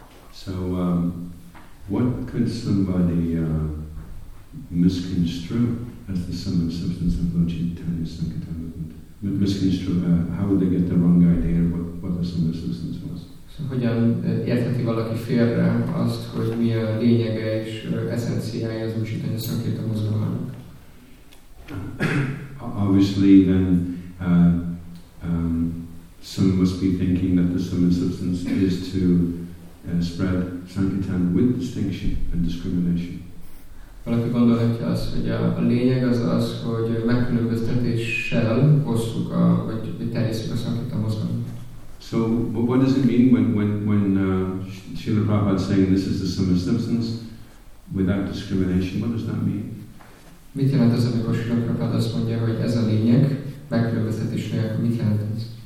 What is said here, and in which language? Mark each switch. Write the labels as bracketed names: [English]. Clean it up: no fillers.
[English] So, what could somebody misconstrue as the sum and substance of Lord Chaitanya Sankirtan movement? How would they get the wrong idea of what the sum and substance was? [Hungarian] So, hogyan értheti valaki félre azt, hogy mi a lényege és eszenciája az Úr Chaitanya Sankirtan mozgalmának? [English] Obviously, then some must be thinking that the sum and substance is to spread Sankirtan with distinction and discrimination. [Hungarian] Valaki gondolhatja azt, hogy a lényeg az, hogy megkülönböztetéssel osztjuk a vagy terjesszük a Sankirtan mozgalmat. [English] So, but what does it mean when Srila Prabhupada saying this is the sum and substance without discrimination? What does that mean? [Hungarian] Mit jelent az, amikor Srila Prabhupada azt mondja, hogy ez a lényeg, megkülönböztetés nélkül, mit jelent ez?